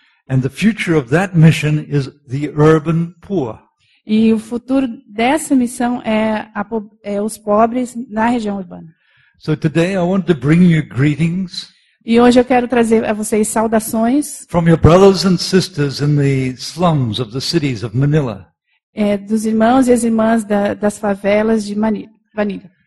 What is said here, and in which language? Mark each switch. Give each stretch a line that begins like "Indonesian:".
English: And the future of that mission is the urban poor.
Portuguese: E o futuro dessa missão é os pobres na região urbana.
English: So today I want to bring you greetings.
Portuguese: E hoje eu quero trazer a vocês saudações.
English: From your brothers and sisters in the slums of the cities of Manila.
Portuguese: Dos irmãos e as irmãs das favelas de Manila.